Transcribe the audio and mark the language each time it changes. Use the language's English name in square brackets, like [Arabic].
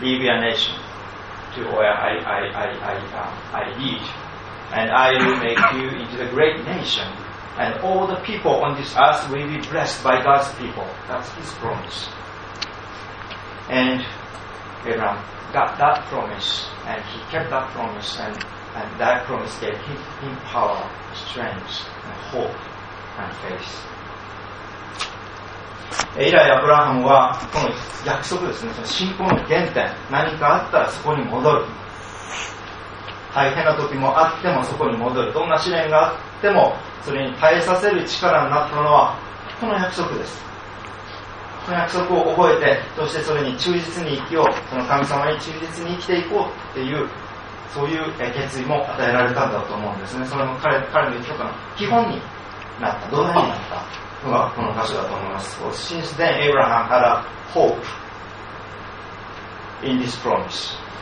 [English] Leave your nation to where I lead, and I will make you into a great nation, and all the people on this earth will be blessed by God's people. That's His promise. And Abraham got that promise, and he kept that promise, and that promise gave him power, strength, and hope, and faith. [Japanese] 以来アブラハムはこの約束ですね、その信仰の原点、何かあったらそこに戻る、大変な時もあってもそこに戻る、どんな試練があってもそれに耐えさせる力になったのはこの約束です。この約束を覚えて、そしてそれに忠実に生きよう、その神様に忠実に生きていこうっていう、そういう決意も与えられたんだと思うんですね。それも 彼の許可の基本になった、土台になったのがこの箇所だと思います。 [English] So, since then, Abraham had a hope in this promise.